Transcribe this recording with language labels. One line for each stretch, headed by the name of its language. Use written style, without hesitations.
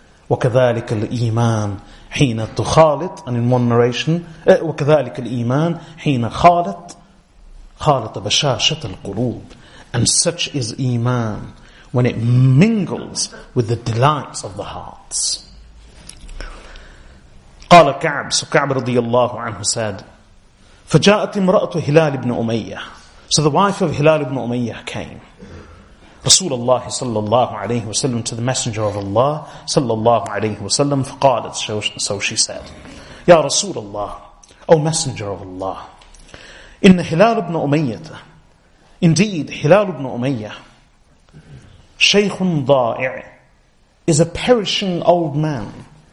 Arabic: وَكَذَلِكَ الْإِيمَانِ حِينَ تُخَالِطْ.
English: And in one narration,
Arabic: وَكَذَلِكَ الْإِيمَانِ حِينَ خَالِطْ خَالِطَ بَشَاشَةَ الْقُلُوبِ.
English: And such is Iman when it mingles with the delights of the hearts.
Arabic: قال كعب,
English: so
Arabic: كعب رضي الله عنه
English: said,
Arabic: فجاءت امرأة هلال بن أمية.
English: So the wife of Hilal ibn Umayyah came. Rasulullah sallallahu alayhi wa sallam, to the Messenger of Allah sallallahu alayhi wa sallam,
Arabic: فقالت,
English: so she said,
Arabic: Ya Rasulullah,
English: O Messenger of Allah,
Arabic: إن هلال بن أمية,
English: indeed Hilal ibn Umayyah,
Arabic: Shaykhun Da'i,
English: is a perishing old man.